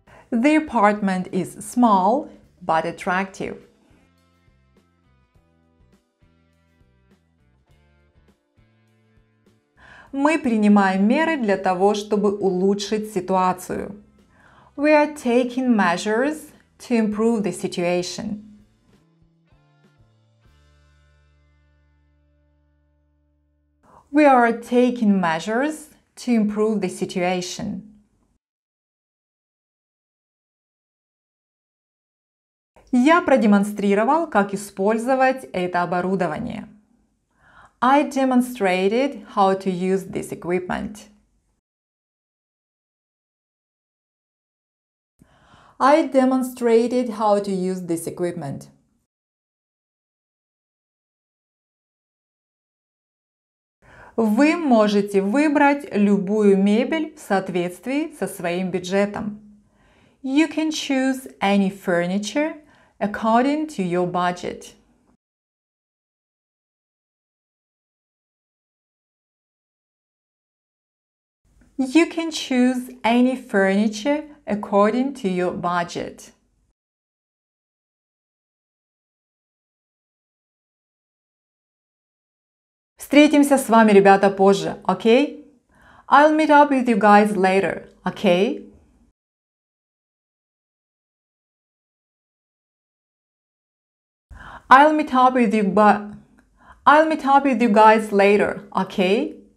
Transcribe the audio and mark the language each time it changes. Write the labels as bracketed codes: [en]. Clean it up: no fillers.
[en] The apartment is small, but attractive. [ru] Мы принимаем меры для того, чтобы улучшить ситуацию. [en] We are taking measures to improve the situation. We are taking measures to improve the situation. [ru] Я продемонстрировал, как использовать это оборудование. [en] I demonstrated how to use this equipment. I demonstrated how to use this equipment. [ru] Вы можете выбрать любую мебель в соответствии со своим бюджетом. [en] You can choose any furniture according to your budget. You can choose any furniture according to your budget. [ru] Встретимся с вами, ребята, позже, окей? [en] Okay? I'll meet up with you guys later, okay? I'll meet up with you, but I'll meet up with you guys later, okay?